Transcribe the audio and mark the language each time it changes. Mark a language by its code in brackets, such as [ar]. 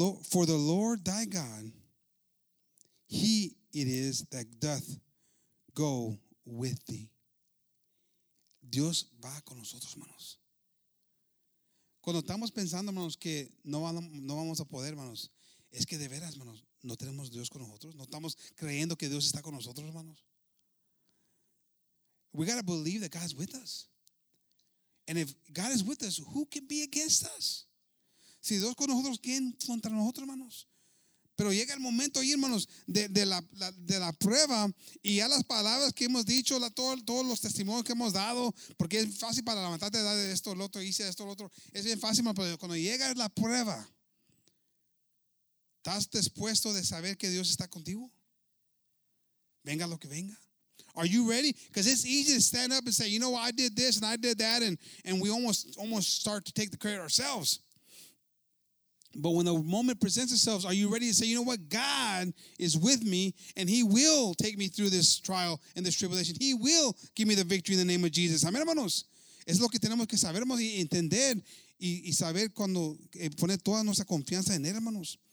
[en] For the Lord thy God, he it is that doth go with thee. [es] Dios va con nosotros, hermanos. Cuando estamos pensando, hermanos, que no vamos a poder, hermanos, es que de veras, hermanos, no tenemos Dios con nosotros. No estamos creyendo que Dios está con nosotros, hermanos. [en] We got to believe that God's with us. And if God is with us, who can be against us? [es] Si Dios con nosotros, ¿quién contra nosotros, hermanos? Pero llega el momento ahí, hermanos, de la prueba y ya las palabras que hemos dicho, todos los testimonios que hemos dado, porque es fácil para levantarte de esto, el otro, hice esto, el otro. Es bien fácil, hermano, pero cuando llega la prueba, ¿estás dispuesto de saber que Dios está contigo? Venga lo que venga. [en] Are you ready? Because it's easy to stand up and say, you know what, I did this and I did that, and we almost start to take the credit ourselves. But when the moment presents itself, are you ready to say, you know what? God is with me, and he will take me through this trial and this tribulation. He will give me the victory in the name of Jesus. [es] Amén, hermanos. Es lo que tenemos que saber, hermanos, y entender, y saber cuando poner toda nuestra confianza en él, hermanos.